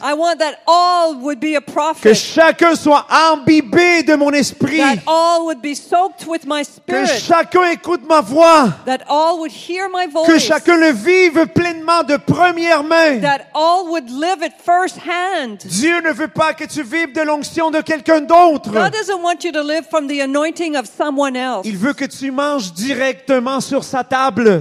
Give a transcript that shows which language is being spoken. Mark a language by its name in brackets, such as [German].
[English] I want that all would be a prophet. [French] Que chacun soit imbibé de mon esprit. [English] That all would be soaked with my spirit. [French] Que chacun écoute ma voix. [English] That all would hear my voice. [French] Que chacun le vive pleinement de première main. [English] That all would live it first hand. [French] Dieu ne veut pas que tu vives de l'onction de quelqu'un d'autre. [English] God doesn't want you to live from the anointing of someone else. [French] Il veut que tu manges directement sur sa table.